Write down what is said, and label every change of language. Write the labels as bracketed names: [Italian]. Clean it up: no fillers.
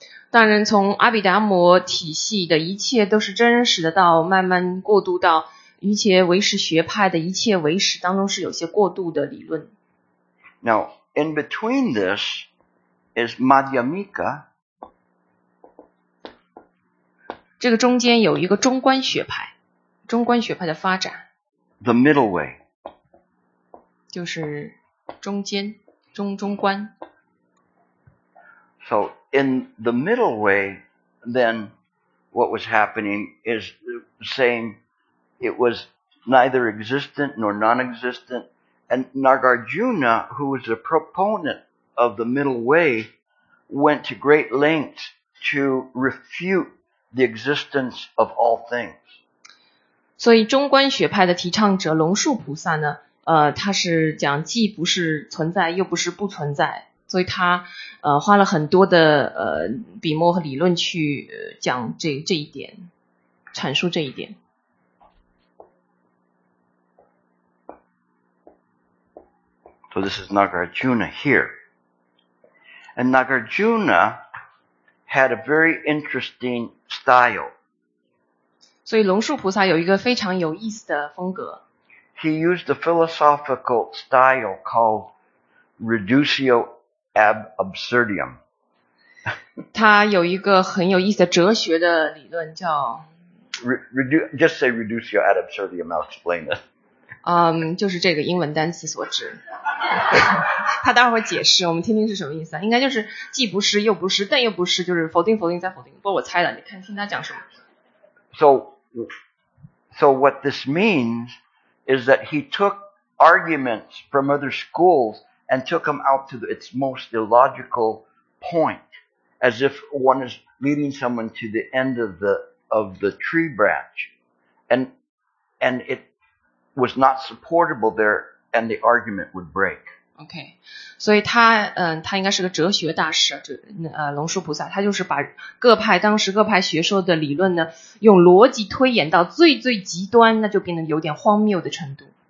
[Chinese] 当然从阿毗达摩体系的一切都是真实的到慢慢过渡到瑜伽唯识学派的一切唯识当中是有些过渡的理论。 [English] Now, in between this is Madhyamika. [Chinese] 这个中间有一个中观学派。中观学派的发展 [English] The middle way [Chinese] 就是中间中观 [English] So in the middle way then what was happening is saying it was neither existent nor non-existent and Nagarjuna who was a proponent of the middle way went to great lengths to refute the existence of all things [Chinese] So, 中观学派的提倡者龙树菩萨呢他是讲既不是存在又不是不存在所以他花了很多的笔墨和理论去讲这一点，阐述这一点。 [English] So this is Nagarjuna here. And Nagarjuna had a very interesting style. [Chinese] 所以龙树菩萨有一个非常有意思的风格。 [English] He used a philosophical style called reducio ad absurdum. [Chinese] 他有一个很有意思的哲学的理论叫 [English] Just say reducio ad absurdum, I'll explain it. [Chinese] 就是这个英文单词所指。他待会儿会解释，我们听听是什么意思啊？应该就是既不是又不是，但又不是，就是否定否定再否定。不过我猜了，你看听他讲什么。 [English] So what this means is that he took arguments from other schools and took them out to its most illogical point, as if one is leading someone to the end of the tree branch, and it was not supportable there. And the argument would break. [Chinese] Okay, 所以他他应该是个哲学大师，龙树菩萨，他就是把各派当时各派学说的理论呢，用逻辑推演到最最极端，那就变得有点荒谬的程度。